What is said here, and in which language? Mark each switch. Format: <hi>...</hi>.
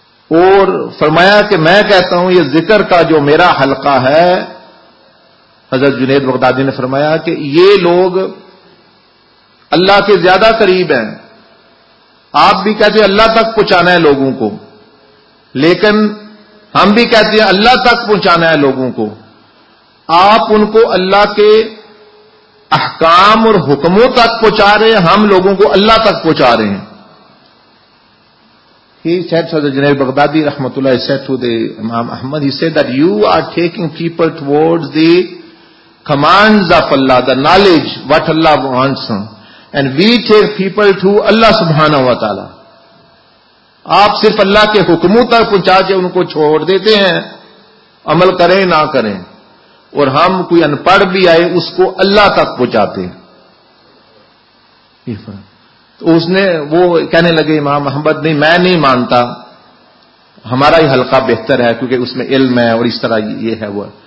<ur>اور فرمایا کہ میں کہتا ہوں یہ ذکر کا جو میرا حلقہ ہے, حضرت جنید بغدادی نے فرمایا کہ یہ لوگ اللہ کے زیادہ قریب ہیں, آپ بھی کہتے ہیں اللہ تک پہنچانا ہے لوگوں کو, لیکن ہم بھی کہتے ہیں اللہ تک پہنچانا ہے لوگوں کو. آپ ان کو اللہ کے احکام اور حکموں تک پہنچا رہے ہیں, ہم لوگوں کو اللہ تک پہنچا رہے ہیں.</ur> <en>He said, Sir Junaid Baghdadi rahmatullah, said to the Imam Ahmad, he said that you are taking people towards the commands of Allah, the knowledge what Allah wants, and we take people to Allah subhanahu wa ta'ala.</en> <ur>آپ صرف اللہ کے حکموں تک پہنچا کے ان کو چھوڑ دیتے ہیں عمل کریں نہ کریں, اور ہم کوئی ان پڑھ بھی آئے اس کو اللہ تک پہنچاتے ہیں. تو اس نے وہ کہنے لگے امام محمد, نہیں میں نہیں مانتا, ہمارا ہی حلقہ بہتر ہے کیونکہ اس میں علم ہے اور اس طرح یہ ہے وہ.</ur>